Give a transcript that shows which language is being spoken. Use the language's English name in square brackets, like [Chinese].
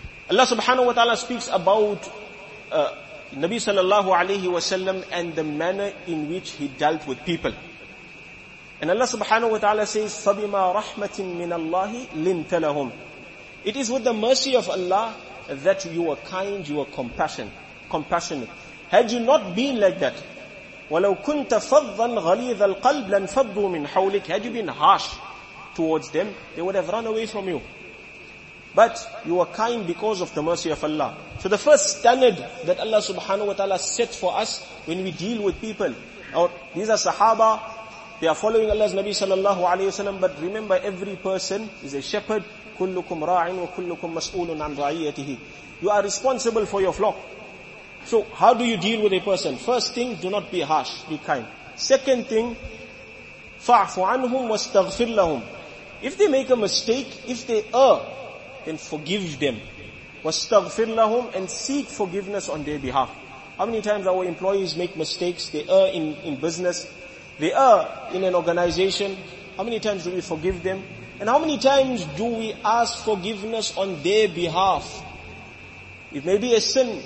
[English] Allah subhanahu wa ta'ala speaks about Nabi sallallahu alayhi wa sallam and the manner in which he dealt with people. And Allah subhanahu wa ta'ala says, [Arabic] فَبِمَا رَحْمَةٍ مِّنَ اللَّهِ لِنْتَ لَهُمْ. [English] It is with the mercy of Allah that you are kind, you are compassionate. Had you not been like that, [Arabic] وَلَوْ كُنْتَ فَضًّا غَلِيظَ الْقَلْبِ لَنْفَضُّوا مِنْ حَوْلِكَ. [English] Had you been harsh towards them, they would have run away from you. But you are kind because of the mercy of Allah. So the first standard that Allah subhanahu wa ta'ala set for us when we deal with people, or these are sahaba, they are following Allah's Nabi sallallahu alayhi wa sallam, but remember every person is a shepherd. [Arabic] كُلُّكُمْ رَاعٍ وَكُلُّكُمْ مَسْئُولٌ عَنْ رَعِيَتِهِ. [English] You are responsible for your flock. So how do you deal with a person? First thing, do not be harsh, be kind. Second thing, [Arabic] فَعْفُ عَنْهُمْ وَاسْتَغْفِرْ لَهُمْ. [English] If they make a mistake, if they err, then forgive them. [Arabic] وَاسْتَغْفِرْ لَهُمْ, [English] and seek forgiveness on their behalf. How many times our employees make mistakes? They err in business, they err in an organization. How many times do we forgive them? And how many times do we ask forgiveness on their behalf? It may be a sin.